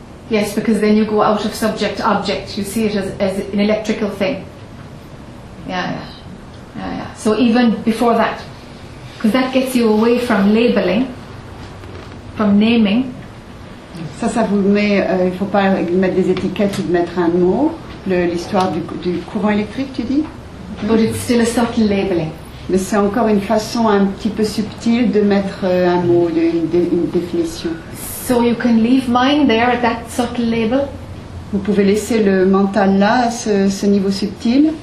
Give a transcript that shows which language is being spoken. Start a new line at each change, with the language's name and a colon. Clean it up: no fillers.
English: Yes, because then you go out of subject to object. You see it as an electrical thing. Yeah. So even before that, because that gets you away from labeling, from naming.
French: Ça, ça vous met, il ne faut pas mettre des étiquettes ou de mettre un mot, l'histoire du courant électrique, tu dis?
English: But it's still a subtle labeling.
French: Mais c'est encore une façon un petit peu subtile de mettre un mot, une définition.
English: So you can leave mine there at that subtle label.
French: Vous pouvez laisser le mental là, ce niveau subtil.